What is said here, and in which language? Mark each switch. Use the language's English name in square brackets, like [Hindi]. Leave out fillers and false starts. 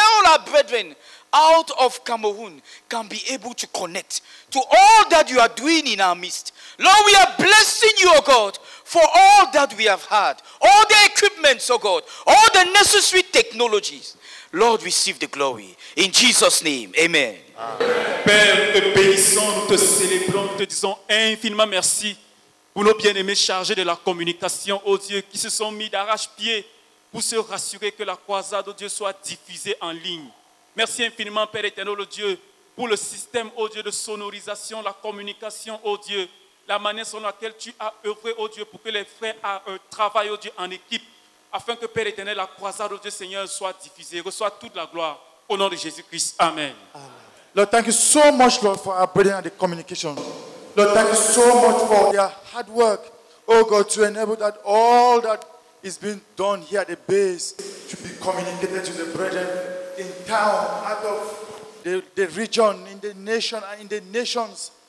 [English] all our brethren, out of Cameroon, can be able to connect to all that you are doing in our midst. Lord, we are blessing you, O God, for all that we have had, all the equipment, O God, all the necessary technologies. Lord, receive the glory. In Jesus' name, amen. [French] Père, te bénissons, nous te célébrons, nous te disons infiniment merci pour nos bien-aimés chargés de la communication, ô Dieu, qui se sont mis d'arrache-pied pour se rassurer que la croisade, ô Dieu, soit diffusée en ligne. Merci infiniment, Père éternel, ô Dieu, pour le système, ô Dieu, de sonorisation, la communication, ô Dieu, la manière sur laquelle tu as œuvré, ô Dieu, pour que les frères travaillent, ô Dieu, en équipe, afin que, Père éternel, la croisade, ô Dieu, Seigneur, soit diffusée. Reçois toute la gloire, au nom de Jésus-Christ. Amen. Amen. [English] Lord, thank you so much, Lord, for our brilliant communication. Lord, thank you so much for their hard work, oh God, to enable that all that is being done here at the base to be communicated to the brethren in town, out of the region, in the nation, and in the nations.